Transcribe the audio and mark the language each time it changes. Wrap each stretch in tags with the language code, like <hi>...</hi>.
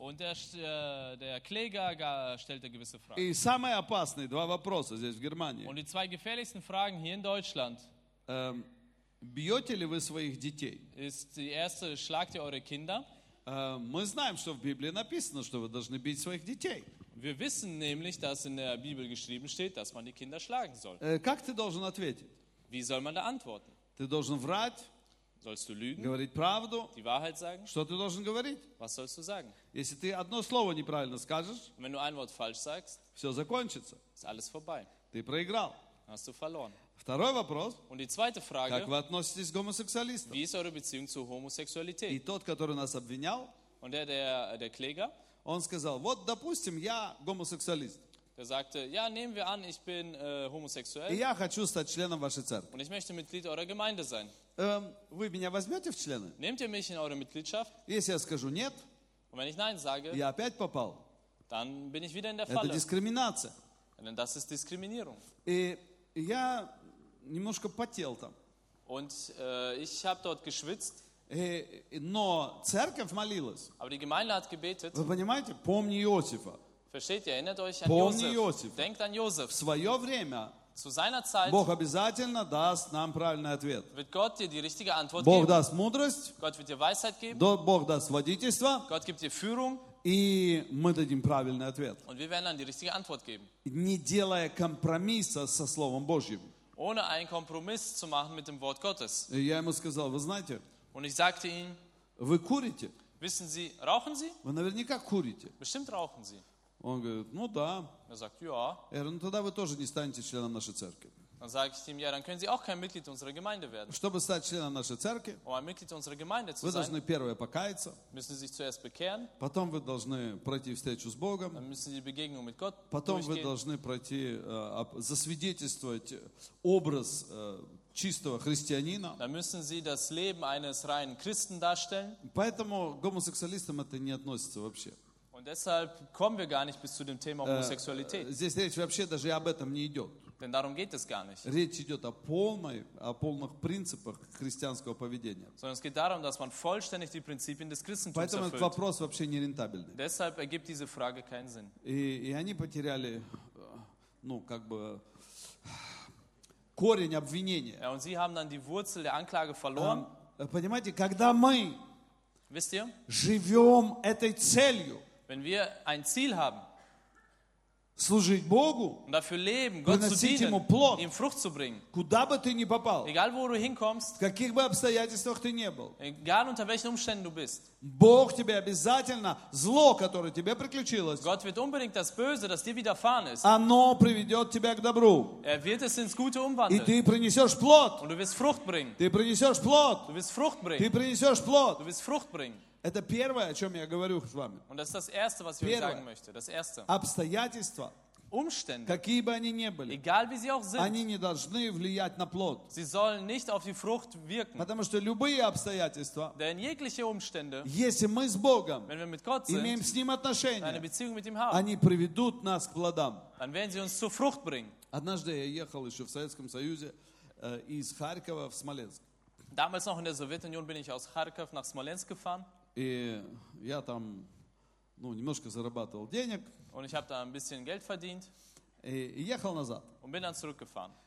<de>Und der Kläger stellte gewisse Fragen.</de> <ru>И самые опасные два вопроса здесь в Германии.</ru> <de>Und die zwei gefährlichsten Fragen hier in Deutschland.</de> <ru>Бьете ли вы своих детей?</ru> <de>Ist die erste: Schlagt ihr eure Kinder?</de> <ru>Мы знаем, что в Библии написано, что вы должны бить своих детей.</ru> <de>Wir wissen nämlich, dass in der Bibel geschrieben steht, dass man die Kinder schlagen soll.</de> <ru>Как ты должен ответить?</ru> <de>Wie soll man da antworten?</de> <ru>Ты должен врать?</ru> <de>Sollst du lügen?</de> <ru>Говорить правду?</ru> <de>Die Wahrheit sagen?</de> <ru>Что ты должен говорить?</ru> <de>Was sollst du sagen?</de> <ru>Если ты одно слово неправильно скажешь,</ru> <de>Wenn du ein Wort falsch sagst,</de> <ru>все закончится.</ru> <de>Ist alles vorbei.</de> <ru>Ты проиграл.</ru> <de>Hast du verloren.</de> <ru>Второй вопрос.</ru> <de>Und die zweite Frage,</de> <ru>как вы относитесь к гомосексуалистам?</ru> <de>Wie ist eure Beziehung zur Homosexualität?</de> <ru>И тот, который нас обвинял,</ru> <de>Und der Kläger,</de> <ru>он сказал, вот, допустим, я гомосексуалист.</ru> <de>Der sagte, ja, nehmen wir an, ich bin homosexuell.</de> <ru>И я хочу стать членом вашей церкви.</ru> <de>Und ich möchte Mitglied eurer Gemeinde sein.</de> <ru>Вы меня возьмете в члены?</ru> <de>Nehmt ihr mich in eure Mitgliedschaft?</de> <ru>Если я скажу нет,</ru> <de>Und wenn ich nein sage,</de> <ru>я опять попал.</ru> <de>Dann bin ich wieder in der Falle.</de> <ru>Это дискриминация.</ru> <de>Denn das ist Diskriminierung.</de> <ru>И я немножко потел там.</ru> <de>Und ich habe dort geschwitzt.</de> <ru>Но церковь молилась.</ru> <de>Aber die Gemeinde hat gebetet.</de> <ru>Вы понимаете? Помни Иосифа.</ru> <de>Versteht ihr? Erinnert euch an</de> <ru>Помни Josef. Иосифа.</ru> <de>Denkt an Josef.</de> <ru>В свое время</ru> <de>Zu seiner Zeit</de> <ru>Бог обязательно даст нам правильный ответ.</ru> <de>Wird Gott dir die richtige Antwort</de> <ru>Бог</ru> <de>geben.</de> <ru>Даст мудрость.</ru> <de>Gott wird dir Weisheit geben.</de> <ru>Бог даст водительство.</ru> <de>Gott gibt dir Führung.</de> <ru>И мы дадим правильный ответ.</ru> <de>Und wir werden dann die richtige Antwort geben.</de> <ru>Не делая компромисса со Словом Божьим.</ru> <de>Ohne einen Kompromiss zu machen mit dem Wort Gottes.</de> <ru>Я ему сказал, вы знаете,</ru> <de>Und ich sagte ihm,</de> <ru>вы курите?</ru> <de>Wissen Sie, rauchen Sie?</de> <ru>Вы наверняка курите.</ru> <de>Bestimmt rauchen Sie.</de> <ru>Он говорит, ну да.</ru> <de>Er sagt, ja.</de> <ru>Я говорю, ну тогда вы тоже не станете членом нашей церкви.</ru> <de>Dann sage ich ihm, ja, dann können Sie auch kein Mitglied unserer Gemeinde werden.</de> <ru>Чтобы стать членом нашей церкви,</ru> <de>um ein Mitglied unserer Gemeinde zu</de> <ru>вы</ru> <de>sein,</de> <ru>должны первое покаяться,</ru> <de>müssen Sie sich zuerst bekehren.</de> <ru>Потом вы должны пройти встречу с Богом.</ru> <de>Dann müssen Sie die Begegnung mit Gott</de> <ru>потом</ru> <de>durchgehen.</de> <ru>Вы должны пройти, засвидетельствовать образ чистого христианина.</ru> <de>Dann müssen Sie das Leben eines reinen Christen darstellen.</de> <ru>Поэтому к гомосексуалистам это не относится вообще.</ru> <de>Und deshalb kommen wir gar nicht bis zu dem Thema Homosexualität.</de> <ru>Здесь речь вообще даже об этом не идет.</ru> <de>Denn darum geht es gar nicht.</de> <ru>Речь идет о полных принципах христианского поведения.</ru> <de>Sondern es geht darum, dass man vollständig die Prinzipien des Christentums erfüllt.</de> <ru>Поэтому этот вопрос вообще не рентабельный.</ru> <de>Deshalb ergibt diese Frage keinen Sinn.</de> <ru>И они потеряли, ну, как бы, корень обвинения.</ru> <de>Ja, und sie haben dann die Wurzel der Anklage verloren.</de> <ru>Понимаете, когда мы</ru> <de>Wisst ihr?</de> <ru>Живем этой целью,</ru> <de>wenn wir ein Ziel haben,</de> <ru>служить Богу,</ru> <de>und dafür leben, Gott zu dienen,</de> <ru>ему плод,</ru> <de>ihm Frucht zu bringen,</de> <ru>куда бы ты ни попал,</ru> <de>egal wo du hinkommst,</de> <ru>в каких бы обстоятельствах ты не был,</ru> <de>egal unter welchen Umständen du bist,</de> <ru>Бог тебе обязательно зло, которое тебе приключилось,</ru> <de>Gott wird unbedingt das Böse, das dir widerfahren ist,</de> <ru>оно приведет тебя к добру,</ru> <de>er wird es ins Gute umwandeln,</de> <ru>и ты принесешь плод,</ru> <de>und du wirst Frucht bringen,</de> <ru>ты принесешь плод,</ru> <de>du wirst Frucht bringen,</de> <ru>ты принесешь плод,</ru> <de>du wirst Frucht bringen.</de> <ru>Это первое, о чем я говорю с вами.</ru> <de>Und das ist das Erste, was ich sagen möchte. Das Erste.</de> <ru>Обстоятельства,</ru> <de>Umstände,</de> <ru>какие бы они ни были,</ru> <de>egal wie sie auch sind,</de> <ru>они не должны влиять на плод.</ru> <de>Sie sollen nicht auf die Frucht wirken.</de> <ru>Потому что любые обстоятельства,</ru> <de>denn jegliche Umstände,</de> <ru>если мы с Богом,</ru> <de>wenn wir mit Gott sind,</de> <ru>имеем с ним отношения,</ru> <de>eine Beziehung mit ihm haben,</de> <ru>они приведут нас к плодам.</ru> <de>Dann werden sie uns zur Frucht bringen.</de> <ru>Однажды я ехал еще в Советском Союзе из Харькова в Смоленск.</ru> <de>Damals noch in der Sowjetunion bin ich aus Charkow nach Smolensk gefahren.</de> <ru>И я там, ну, немножко зарабатывал денег.</ru> <de>Und ich habe da ein bisschen Geld verdient.</de> <ru>И ехал назад.</ru> <de>Und bin dann zurückgefahren.</de>